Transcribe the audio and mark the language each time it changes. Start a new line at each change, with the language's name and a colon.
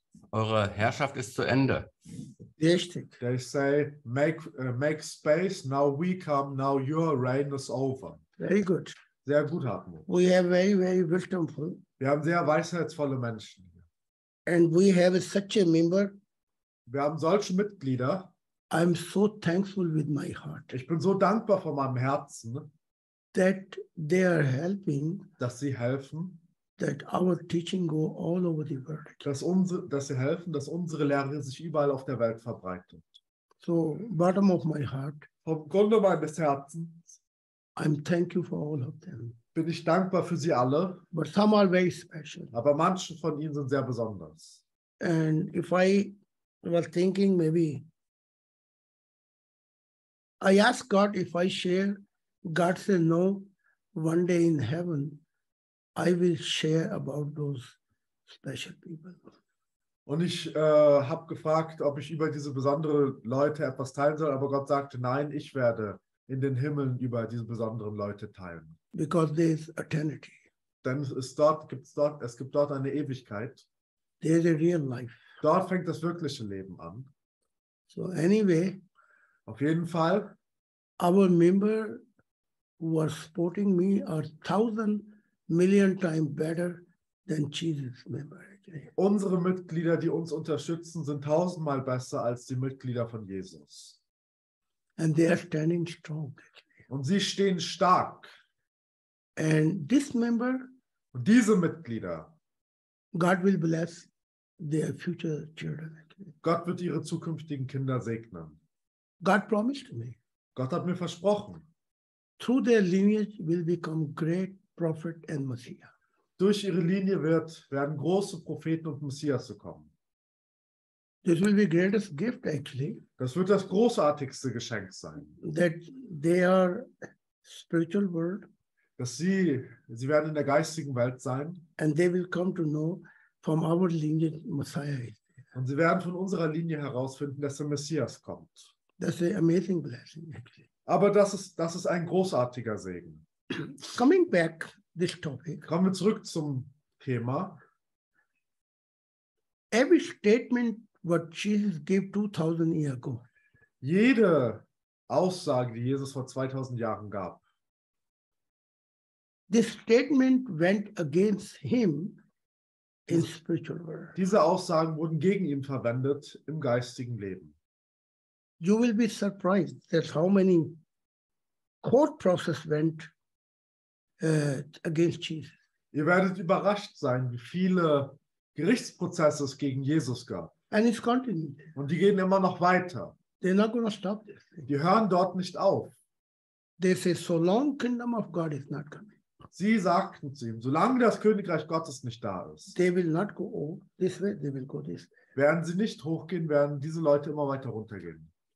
German: Eure Herrschaft ist zu Ende. Richtig.
English: They say, make space, now we come, now your reign is over. Very good.
German: Sehr gut, Hartmut.
English: We have very, very wisdomful.
German: Wir haben sehr weisheitsvolle Menschen hier.
English: And we have such a member.
German: Wir haben solche Mitglieder.
English: I'm so thankful with my heart.
German: Ich bin so dankbar von meinem Herzen.
English: That they are helping.
German: Dass sie helfen.
English: That our teaching go all over the world.
German: Dass sie helfen, dass unsere Lehre sich überall auf der Welt verbreitet.
English: So, bottom of my heart.
German: Vom Grunde meines Herzens.
English: I'm thankful for all of them.
German: Bin ich dankbar für sie alle.
English: But some are very special.
German: Aber manche von ihnen sind sehr besonders.
English: And if I was thinking maybe, I asked God if I share. God said no. One day in heaven, I will share about those special people.
German: Und ich habe gefragt, ob ich über diese besonderen Leute etwas teilen soll, aber Gott sagte, nein, ich werde in den Himmeln über diese besonderen Leute teilen.
English: Because there is eternity.
German: Denn es gibt dort eine Ewigkeit.
English: There is a real life.
German: Dort fängt das wirkliche Leben an.
English: So anyway,
German: auf jeden Fall,
English: our member who are supporting me are 1,000 million times better than Jesus' member.
German: Unsere Mitglieder, die uns unterstützen, sind 1,000-mal besser als die Mitglieder von Jesus.
English: And they are standing strong.
German: Und sie stehen stark.
English: And this member,
German: und diese Mitglieder,
English: God will bless their future children.
German: Gott wird ihre zukünftigen Kinder segnen.
English: God promised me.
German: Gott hat mir versprochen.
English: Through their lineage will become great prophet and Messiah.
German: Durch ihre Linie werden große Propheten und Messias kommen.
English: This will be greatest gift actually.
German: Das wird das großartigste Geschenk sein.
English: That they are spiritual world.
German: Dass sie werden in der geistigen Welt sein.
English: And they will come to know from our lineage Messiah.
German: Und sie werden von unserer Linie herausfinden, dass der Messias kommt.
English: That's an amazing blessing actually.
German: Aber das ist ein großartiger Segen.
English: Coming back this topic.
German: Kommen wir zurück zum Thema.
English: Every statement what Jesus gave 2000 years ago.
German: Jede Aussage, die Jesus vor 2000 Jahren gab.
English: This statement went against him in spiritual world.
German: Diese Aussagen wurden gegen ihn verwendet im geistigen Leben.
English: You will be surprised that how many court process went against Jesus.
German: Ihr werdet überrascht sein, wie viele Gerichtsprozesse es gegen Jesus gab.
English: And it's continued.
German: Und die gehen immer noch weiter.
English: They're not gonna stop this thing.
German: Die hören dort nicht auf.
English: They say, so long kingdom of God is not coming.
German: Sie sagten zu ihm, solange das Königreich Gottes nicht da ist,
English: they will not go this way, they will go this way.
German: Werden sie nicht hochgehen, werden diese Leute immer weiter runtergehen.